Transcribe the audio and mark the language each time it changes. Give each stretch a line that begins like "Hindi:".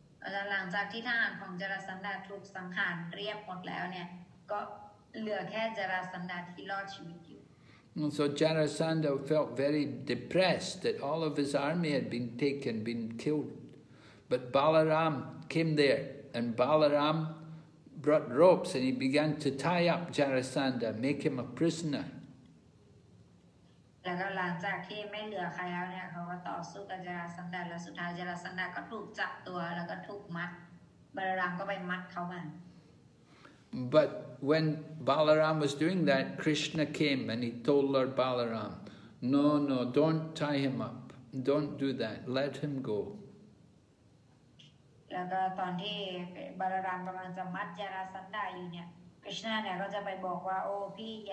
English: And so Jarasandha felt very depressed that all of his army had been taken, been killed. But Balaram came there, and Balaram brought ropes and he began to tie up Jarasandha, make him a prisoner.
Thai: แล้วก็หลังจากที่ไม่เหลือใครแล้วเนี่ยเขาก็ต่อสู้กับจราสันดาแล้วสุดท้ายจราสันดาก็ถูกจับตัวแล้วก็ถูกมัดบาลารามก็ไปมัดเขามา
English: But when Balaram was doing that, Krishna came and he told Lord Balaram, "No, no, don't tie him up. Don't do that. Let him go."
Thai: แล้วก็ตอนที่บาลารามกำลังจะมัดจราสันดาอยู่เนี่ย Krishna เนี่ยก็จะไปบอกว่าโอ้พี่